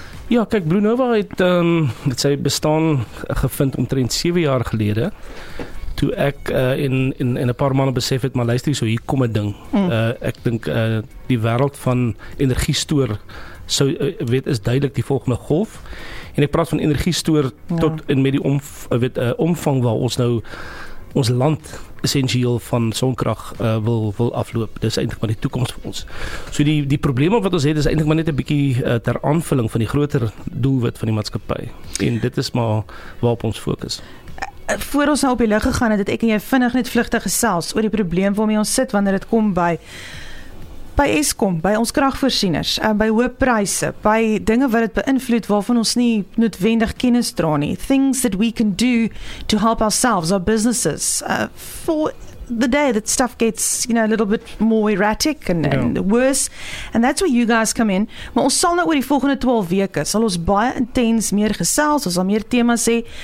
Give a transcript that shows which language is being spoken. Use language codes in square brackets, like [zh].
[af] Ja, kyk, Blue Nova het sy bestaan gevind omtrent 7 jaar gelede, toe ek en 'n paar manne besef het, maar luister, so hier kom 'n ding. Ek dink die wêreld van energie stoor is duidelik die volgende golf. En ek praat van energie stoor tot en met die omvang waar ons nou ons land essentieel van sonkrag wil afloop. Dis eintlik maar die toekoms vir ons. So die probleme wat ons het is eintlik maar net 'n bietjie ter aanvulling van die groter doelwit van die maatskappy. En dit is maar waarop ons fokus. Voor ons nou op die lig gegaan het, ek en jy vinnig net vlugtig gesels oor die probleem waarmee ons sit wanneer dit kom by Eskom, by ons kragvoorsieners, by hoë pryse, by dinge wat dit beïnvloed waarvan ons nie noodwendig kennis dra nie. [en] Things that we can do to help ourselves, our businesses, for the day that stuff gets, you know, a little bit more erratic and worse. And that's where you guys come in. [af] Maar ons sal nou oor die volgende 12 weke, sal ons baie intens meer gesels, ons sal meer temas hê.